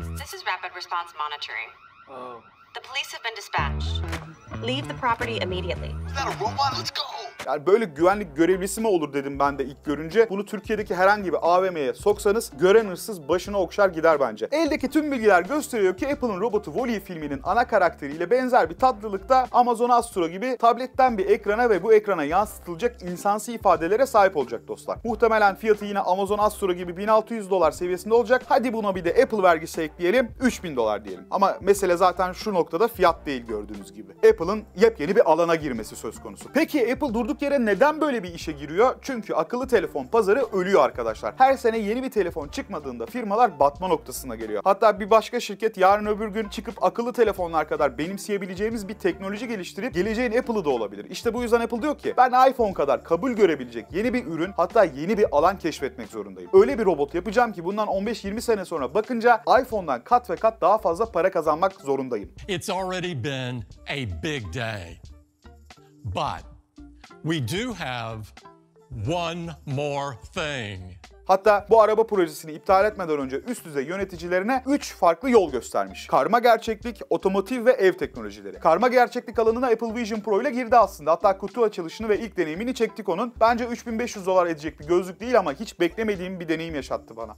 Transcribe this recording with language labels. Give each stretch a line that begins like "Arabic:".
English: This is rapid response monitoring. Oh. The police have been dispatched. Leave the property immediately. Is that a robot? Let's go.
Turkish: Yani böyle güvenlik görevlisi mi olur dedim ben de ilk görünce. Bunu Türkiye'deki herhangi bir AVM'ye soksanız gören hırsız başına okşar gider bence. Eldeki tüm bilgiler gösteriyor ki Apple'ın robotu Wall-E filminin ana karakteriyle benzer bir tatlılıkta Amazon Astro gibi tabletten bir ekrana ve bu ekrana yansıtılacak insansı ifadelere sahip olacak dostlar. Muhtemelen fiyatı yine Amazon Astro gibi 1600 dolar seviyesinde olacak. Hadi buna bir de Apple vergisi ekleyelim, 3000 dolar diyelim. Ama mesele zaten şu noktada fiyat değil gördüğünüz gibi. Apple'ın yepyeni bir alana girmesi söz konusu. Peki Apple durduk yere neden böyle bir işe giriyor? Çünkü akıllı telefon pazarı ölüyor arkadaşlar. Her sene yeni bir telefon çıkmadığında firmalar batma noktasına geliyor. Hatta bir başka şirket yarın öbür gün çıkıp akıllı telefonlar kadar benimseyebileceğimiz bir teknoloji geliştirip geleceğin Apple'ı da olabilir. İşte bu yüzden Apple diyor ki ben iPhone kadar kabul görebilecek yeni bir ürün, hatta yeni bir alan keşfetmek zorundayım. Öyle bir robot yapacağım ki bundan 15-20 sene sonra bakınca iPhone'dan kat ve kat daha fazla para kazanmak zorundayım.
English: It's already been a big day. But we do have one more thing.
Turkish: Hatta bu araba projesini iptal etmeden önce üst düzey yöneticilerine 3 farklı yol göstermiş. Karma gerçeklik, otomotiv ve ev teknolojileri. Karma gerçeklik alanına Apple Vision Pro ile girdi aslında. Hatta kutu açılışını ve ilk deneyimini çektik onun. Bence 3500 dolar edecek bir gözlük değil ama hiç beklemediğim bir deneyim yaşattı bana.